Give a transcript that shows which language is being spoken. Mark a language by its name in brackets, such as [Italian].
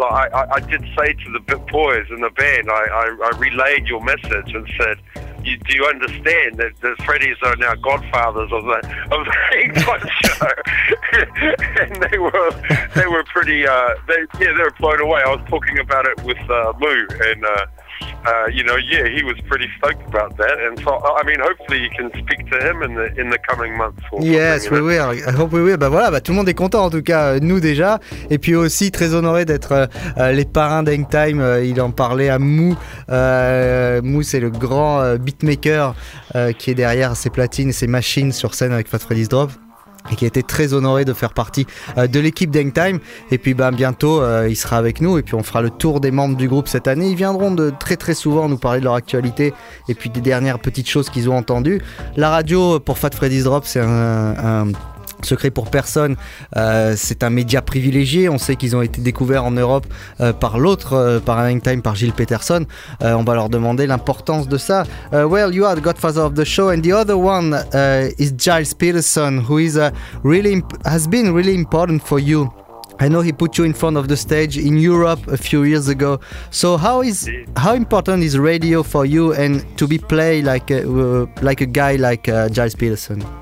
[English] I did say to the boys in the band, I relayed your message and said, do you understand that the Freddies are now godfathers of the Hang Time show? And they were pretty they were blown away. I was talking about it with Moo, and he was pretty stoked about that. And so, I mean, hopefully you can speak to him in the coming months. Yes, we will. I hope we will. [French] Bah voilà, bah tout le monde est content, en tout cas nous déjà, et puis aussi très honoré d'être les parrains d'Hang Time. Il en parlait à Moo. Moo, c'est le grand beatmaker qui est derrière ses platines et ses machines sur scène avec Fat Freddy's Drop, et qui a été très honoré de faire partie de l'équipe d'Hang Time. Et puis bientôt il sera avec nous, et puis on fera le tour des membres du groupe cette année. Ils viendront de très très souvent nous parler de leur actualité et puis des dernières petites choses qu'ils ont entendues. La radio pour Fat Freddy's Drop, c'est un secret pour personne, c'est un média privilégié. On sait qu'ils ont été découverts en Europe par l'autre, par Hang Time, par Gilles Peterson. On va leur demander l'importance de ça. [English] Well, you are the godfather of the show, and the other one is Giles Peterson, who is has been really important for you. I know he put you in front of the stage in Europe a few years ago. So how important is radio for you, and to be played like a guy like Giles Peterson?